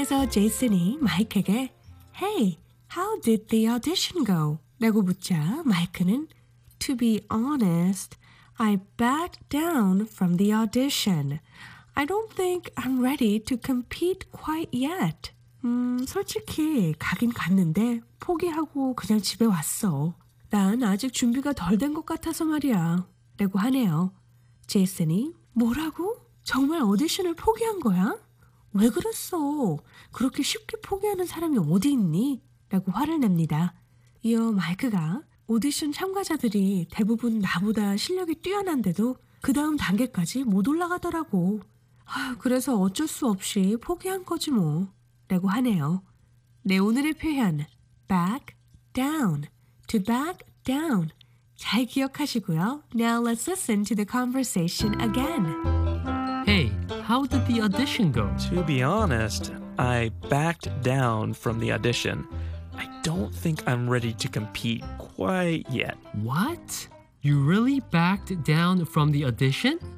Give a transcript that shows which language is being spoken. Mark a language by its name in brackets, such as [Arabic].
[Korean] Jason이 마이크에게 [English] Hey, how did the audition go? [Korean] 라고 묻자 마이크는 [English] To be honest, I backed down from the audition. I don't think I'm ready to compete quite yet. [Korean] 솔직히 가긴 갔는데 포기하고 그냥 집에 왔어. 난 아직 준비가 덜 된 것 같아서 말이야. 라고 하네요. 제이슨이 뭐라고? 정말 오디션을 포기한 거야? 왜 그랬어? 그렇게 쉽게 포기하는 사람이 어디 있니? 라고 화를 냅니다. 이어 마이크가 오디션 참가자들이 대부분 나보다 실력이 뛰어난데도 그 다음 단계까지 못 올라가더라고. 그래서 어쩔 수 없이 포기한 거지 뭐. 라고 하네요. 네, 오늘의 표현 back down, to back down 잘 기억하시고요. [English] Now let's listen to the conversation again. Hey, how did the audition go? To be honest, I backed down from the audition. I don't think I'm ready to compete quite yet. What? You really backed down from the audition?